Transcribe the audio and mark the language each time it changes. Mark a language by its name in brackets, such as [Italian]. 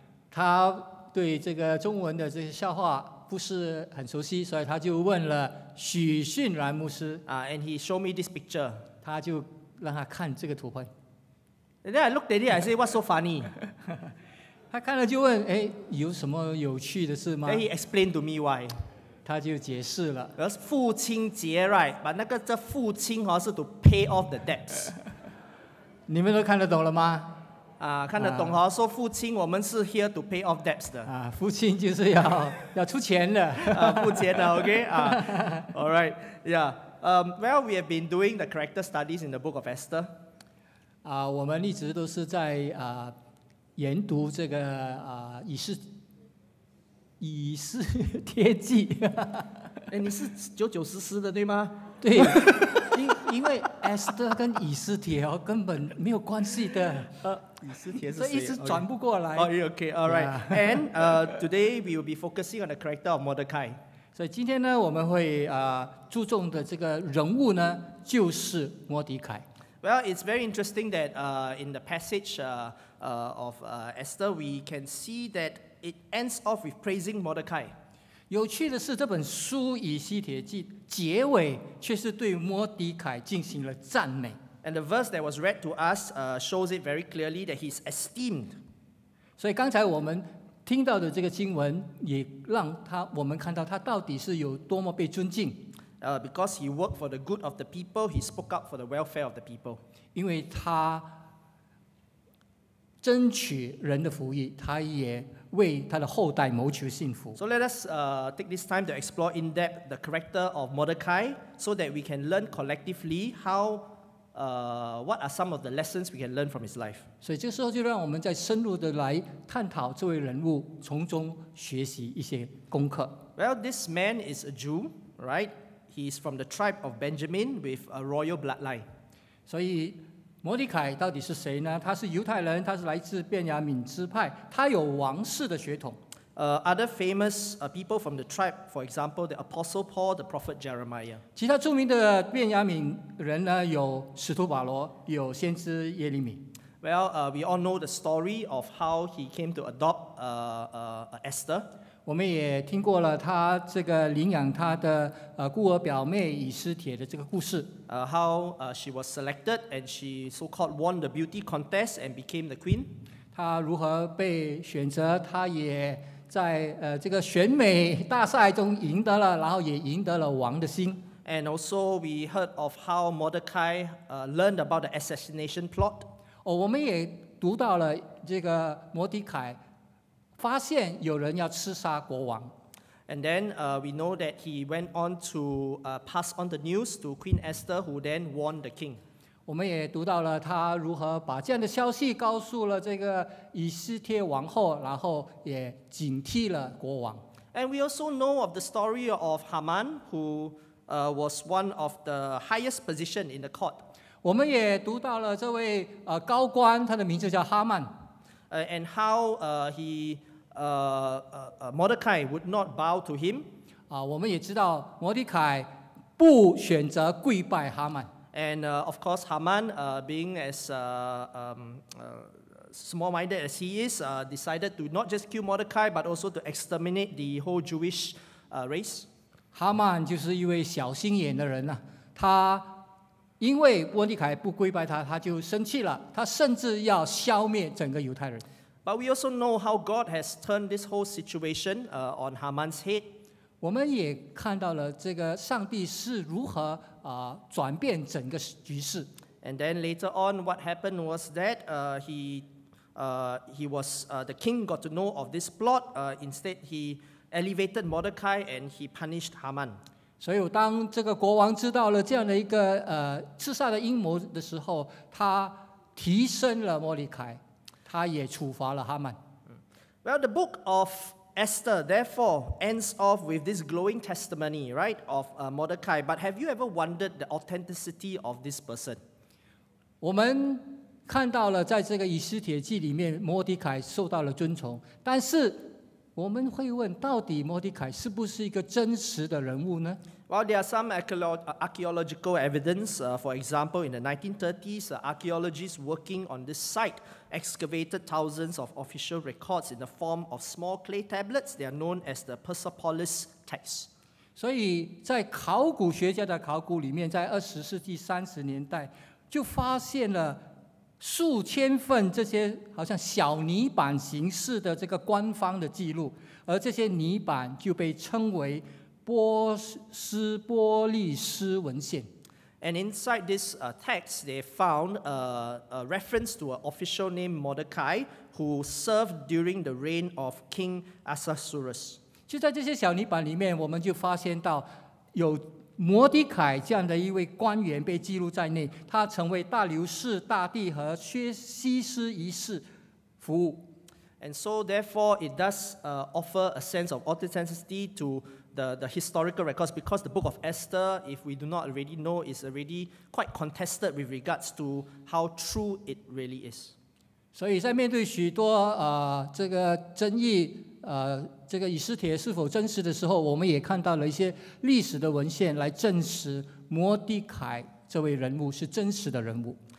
[Chinese] 他对这个中文的这些笑话不是很熟悉，所以他就问了许逊然牧师。 [English] And he showed me this picture. [Chinese] 他就让他看这个图片。 [English] And then I looked at it, I said, what's so funny? [Chinese] 他看了就问，哎，有什么有趣的事吗？ [English] Then he explained to me why. [Chinese] 他就解释了。而父亲节 [English] right? But [Chinese] 那个这父亲哦，是 [English] to pay off the debts. [Chinese] 你们都看得懂了吗？看得懂哦，说父亲，我们是 [English] here to pay off debts [Chinese] 的。父亲就是要出钱的。付钱的 [English] ，OK all right, yeah. Well, we have been doing the character studies in the book of Esther. [Chinese] 我们一直都是在研读这个以斯帖记。哎，你是9910的对吗？对。因为 Esther 跟以斯帖根本没有关系的，以斯帖是谁？所以一直转不过来。 [English] Okay, all right. Yeah. And today we will be focusing on the character of Mordecai. [Chinese] 所以今天呢，我们会注重的这个人物呢，就是摩迪凯。 [English] Well, it's very interesting that in the passage of Esther, we can see that it ends off with praising Mordecai. [Chinese] 有趣的是，这本书《以西帖记》结尾却是对摩迪凯进行了赞美。 [English] And the verse that was read to us, shows it very clearly that he's esteemed. [Chinese] 所以刚才我们听到的这个经文，也让我们看到他到底是有多么被尊敬。 [English] Because he worked for the good of the people, he spoke up for the welfare of the people. [Chinese] 因为他争取人的福益，他也为他的后代谋求幸福。 [English] So let us take this time to explore in depth the character of Mordecai, so that we can learn collectively how what are some of the lessons we can learn from his life. [Chinese] 所以这时候就让我们再深入的来探讨这位人物，从中学习一些功课。 [English] Well, this man is a Jew, right? He is from the tribe of Benjamin with a royal bloodline. [Chinese] 所以摩迪凯到底是谁呢？他是犹太人，他是来自便雅悯支派，他有王室的血统。 [English] Other famous people from the tribe, for example, the Apostle Paul, the Prophet Jeremiah. [Chinese] 其他著名的便雅悯人呢，有使徒保罗，有先知耶利米。 [English] Well, we all know the story of how he came to adopt Esther. [Chinese] 我们也听过了他这个领养他的孤儿表妹以斯帖的这个故事。 [English] How she was selected and she so-called won the beauty contest and became the queen. [Chinese] 她如何被选择，她也在这个选美大赛中赢得了，然后也赢得了王的心。 [English] And also we heard of how Mordecai learned about the assassination plot. [Chinese] 我们也读到了这个摩迪凯发现有人要刺杀国王。 [English] And then we know that he went on to pass on the news to Queen Esther, who then warned the king. [Chinese] 我们也读到了他如何把这样的消息告诉了这个以斯帖王后，然后也警惕了国王。 [English] And we also know of the story of Haman, who was one of the highest position in the court. [Chinese] 我们也读到了这位高官，他的名字叫哈曼。 [English] And how he Mordecai would not bow to him. [Chinese] 我们也知道摩迪凯不选择跪拜哈曼。 [English] And of course, Haman, being as small-minded as he is, decided to not just kill Mordecai, but also to exterminate the whole Jewish race. [Chinese] Haman 就是一位小心眼的人啊，他因为摩迪凯不跪拜他，他就生气了，他甚至要消灭整个犹太人。 [English] But we also know how God has turned this whole situation on Haman's head. [Chinese] 我们也看到了这个上帝是如何转变整个局势。 [English] And then later on, what happened was that the king got to know of this plot. Instead, he elevated Mordecai and he punished Haman. [Chinese] 所以当这个国王知道了这样的一个刺杀的阴谋的时候，他提升了摩迪凯。他也处罚了哈曼。 [English] Well, the book of Esther therefore ends off with this glowing testimony, right, of Mordecai. But have you ever wondered the authenticity of this person? [Chinese] 我们看到了在这个以斯帖记里面，摩迪凯受到了尊崇。但是我们会问，到底摩迪凯是不是一个真实的人物呢？ [English] Well, there are some archaeological evidence. For example, in the 1930s, archaeologists working on this site excavated thousands of official records in the form of small clay tablets. They are known as the Persepolis texts. [Chinese] 所以在考古学家的考古里面，在二十世纪三十年代，就发现了数千份这些好像小泥板形式的这个官方的记录，而这些泥板就被称为波斯波利斯文献。 [English] And inside this text, they found a reference to an official named Mordecai, who served during the reign of King Ahasuerus. [Chinese] 就在这些小泥板里面，我们就发现到有摩迪凯这样的一位官员被记录在内，他曾为大流士大帝和薛西斯一世服务。 [English] And so, therefore, it does offer a sense of authenticity to the historical records, because the book of Esther, if we do not already know, is already quite contested with regards to how true it really is. [Chinese] 所以在面对许多这个争议，这个以斯帖是否真实的时候，我们也看到了一些历史的文献来证实摩迪凯这位人物是真实的人物。